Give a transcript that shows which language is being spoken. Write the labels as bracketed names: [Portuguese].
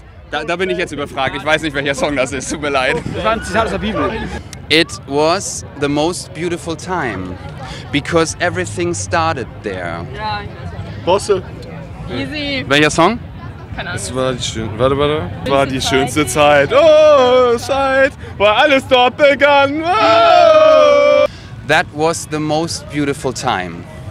[German] Da bin ich jetzt überfragt. Ich weiß nicht, welcher Song das ist. Tut mir leid. Das war ein Zitat aus der Bibel. [English] It was the most beautiful time, because everything started there. [German] Ja, Bosse. [English] Easy. [German] Welcher Song? Es war die schönste, Zeit. Oh, Zeit, weil alles dort begann. Oh. [English] That was the most beautiful time.